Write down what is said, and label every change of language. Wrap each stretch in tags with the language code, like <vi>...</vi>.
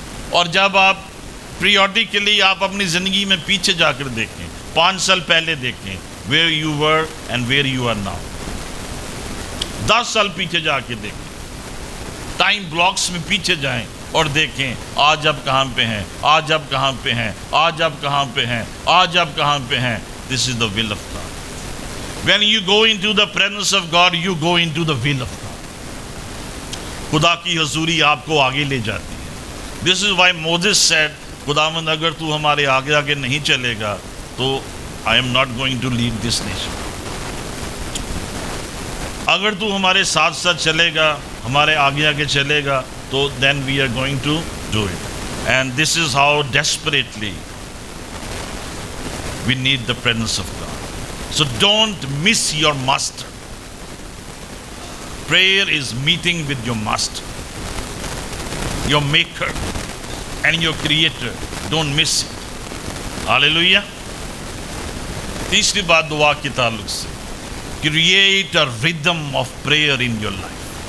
<ur>اور جب آپ پریورٹیکلی آپ اپنی زندگی میں پیچھے جا کر دیکھیں, پانچ سال پہلے دیکھیں,</ur> <en>where you were and where you are now,</en> <ur>دس سال پیچھے جا کے دیکھیں, ٹائم بلاکس میں پیچھے جائیں اور دیکھیں آج اب کہاں پہ ہیں, آج اب کہاں پہ ہیں, آج اب کہاں پہ ہیں, آج اب کہاں پہ ہیں.</ur> <en>This is the will of God. When you go into the presence of God, you go into the will of God.</en> <ur>خدا کی حضوری آپ کو آگے لے جاتی ہے.</ur> <en>this is why Moses said,</en> <ur>خداوند اگر تو ہمارے آگے آگے نہیں چلے گا تو</ur> <en>I am not going to lead this nation.</en> <ur>اگر تو ہمارے ساتھ ساتھ چلے گا, ہمارے آگے آگے چلے گا, تو</ur> <en>Then we are going to do it. And this is how desperately we need the presence of God. So don't miss your master. Prayer is meeting with your master, your maker and your creator. Don't miss it. Hallelujah.</en> <ur>تیسری بات دعا کے تعلق سے,</ur> <en>Create a rhythm of prayer in your life.</en>